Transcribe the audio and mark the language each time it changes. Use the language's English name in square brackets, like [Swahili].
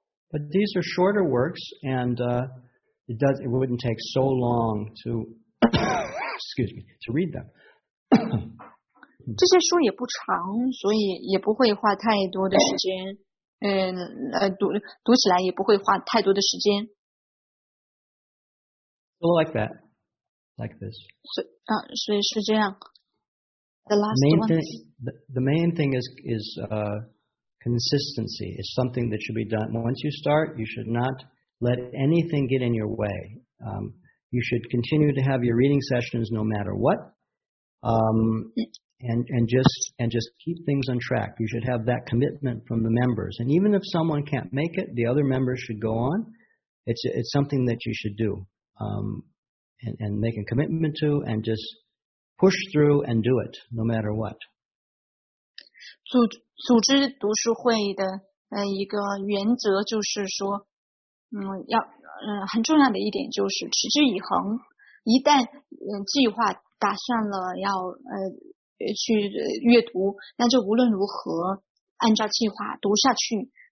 [English] But these are shorter works, and it wouldn't take so long to excuse me to read them. [Chinese] 这些书也不长，所以也不会花太多的时间，读起来也不会花太多的时间。 [English] Like that. Like this. So it's like this. The last main one. The main thing is consistency. It's something that should be done. Once you start, you should not let anything get in your way. You should continue to have your reading sessions no matter what. And just keep things on track. You should have that commitment from the members. And even if someone can't make it, the other members should go on. It's something that you should do. And make a commitment to, and just push through and do it, no matter what. [Chinese] 组织读书会的一个原则就是说，很重要的一点就是持之以恒。一旦计划打算了要去阅读，那就无论如何按照计划读下去。